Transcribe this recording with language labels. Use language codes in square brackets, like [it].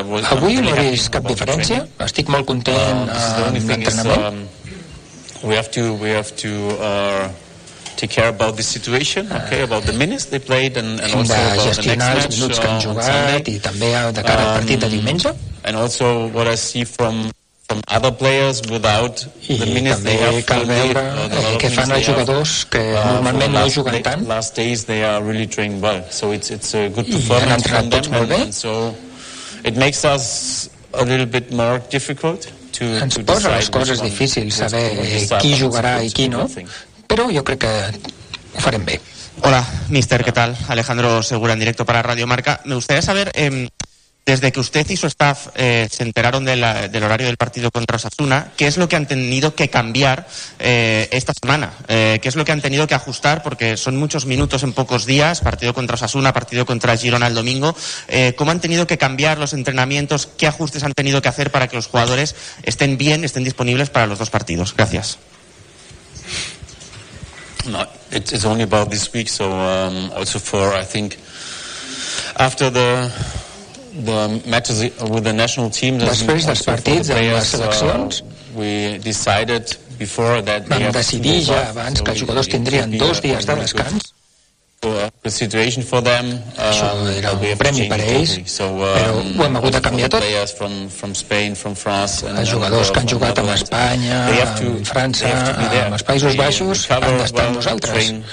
[ca] Avui no he vist cap diferència. Estic molt content amb l'entrenament. [en] We have to take care about the situation, okay? About the minutes they played and also about the next match. [ca] Els minuts que han jugat i també de cara al partit de diumenge. [en] And also what I see from other players without the minutes they have. [ca] I també cal veure què fan els jugadors que normalment no juguen tant. [en] Last days they are really trained well, so it's a good performance from them. And so it makes us a little bit more difficult. [ca] Ens posa les coses difícils saber qui jugarà i qui no, però jo crec que ho farem bé. Hola, míster, què tal? [es] Alejandro Segura en directo para Radio Marca. Me gustaría saber, desde que usted y su staff se enteraron de del horario del partido contra Osasuna, ¿qué es lo que han tenido que cambiar esta semana? ¿Qué es lo que han tenido que ajustar? Porque son muchos minutos en pocos días, partido contra Osasuna, partido contra Girona el domingo. ¿Cómo han tenido que cambiar los entrenamientos? ¿Qué ajustes han tenido que hacer para que los jugadores estén bien, estén disponibles para los dos partidos? Gracias. [en] No, it's only about this week, so also for, I think, after the... The matches with the national teams and the players, partits, players we decided before that [ca] vam decidir ja abans que els jugadors tindrien dos dies de descans. [en] The situation for them [ca] era un premi per ells, però ho hem hagut de canviar tot. [en] From Spain, from France, [ca] and els jugadors que han jugat amb Espanya, amb França, amb els Països Baixos, han d'estar amb nosaltres.